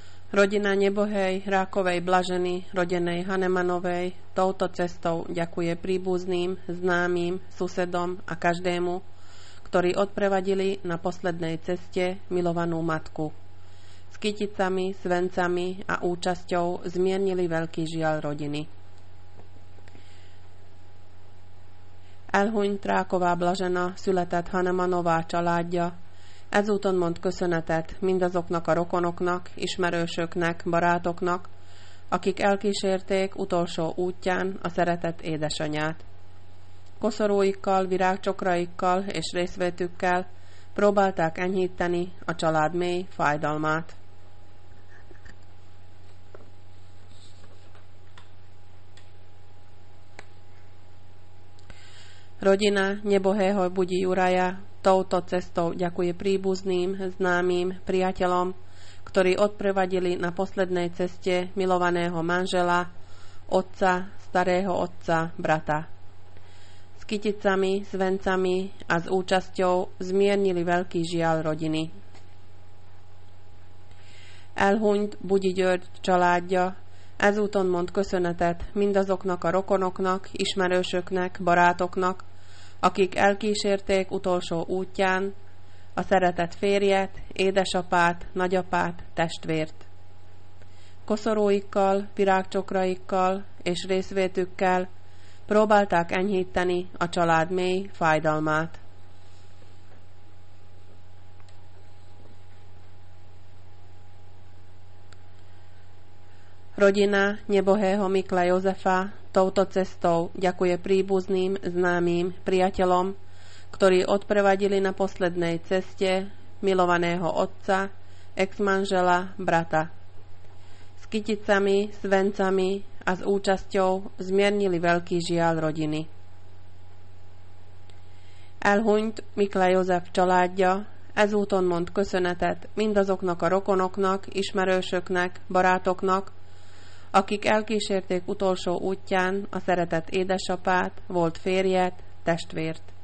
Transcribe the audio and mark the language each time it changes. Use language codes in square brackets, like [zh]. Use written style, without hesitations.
[sk] Rodina nebohej Rákovej Blažený, rodenej Hanemanovej, touto cestou ďakuje príbuzným, známym, susedom a každému, ktorí odprevadili na poslednej ceste milovanú matku. S kyticami, svencami a účasťou zmiernili veľký žiaľ rodiny. [hu] Elhunyt Ráková Blažená, született Hanemanová családja, ezúton mond köszönetet mindazoknak a rokonoknak, ismerősöknek, barátoknak, akik elkísérték utolsó útján a szeretett édesanyát. Koszorúikkal, virágcsokraikkal és részvétükkel próbálták enyhíteni a család mély fájdalmát. [sk] Rodina nebohého Budi Juraja touto cestou ďakuje príbuzným, známym, priateľom, ktorí odprevadili na poslednej ceste milovaného manžela, otca, starého otca, brata. S kyticami, svencami a s účasťou zmiernili veľký žiaľ rodiny. [hu] Elhunyt Budi György családja ezúton mond köszönetet mindazoknak a rokonoknak, ismerősöknek, barátoknak, akik elkísérték utolsó útján a szeretett férjet, édesapát, nagyapát, testvért. Koszorúikkal, virágcsokraikkal és részvétükkel próbálták enyhíteni a család mély fájdalmát. [sk] Rodina nebohého Mikla Jozefa touto cestou ďakuje príbuzným, známym, priateľom, ktorí odprevadili na poslednej ceste milovaného otca, ex-manžela, brata. S kyticami, svencami a s účasťou zmiernili veľký žiaľ rodiny. [hu] Elhunyt Mikla Jozef családja ezúton mond köszönetet mindazoknak a rokonoknak, ismerősöknek, barátoknak, akik elkísérték utolsó útján a szeretett édesapát, volt férjet, testvért.